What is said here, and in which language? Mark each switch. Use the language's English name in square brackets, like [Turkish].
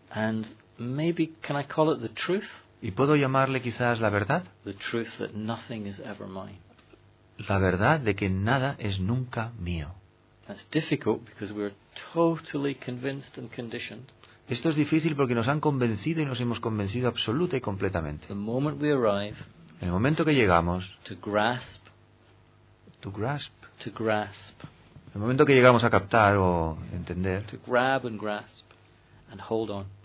[English] And maybe can I call it the truth. [Spanish] Y puedo llamarle quizás la verdad. [English] The truth that nothing is ever mine. [Spanish] La verdad de que nada es nunca mío. [English] That's difficult because we're totally convinced and conditioned. [Spanish] Esto es difícil porque nos han convencido y nos hemos convencido absoluta y completamente. [English] The moment we arrive, [Spanish] el momento que llegamos, [English] to grasp, [Spanish] el momento que llegamos a captar o entender, [English] to grab and grasp and hold on,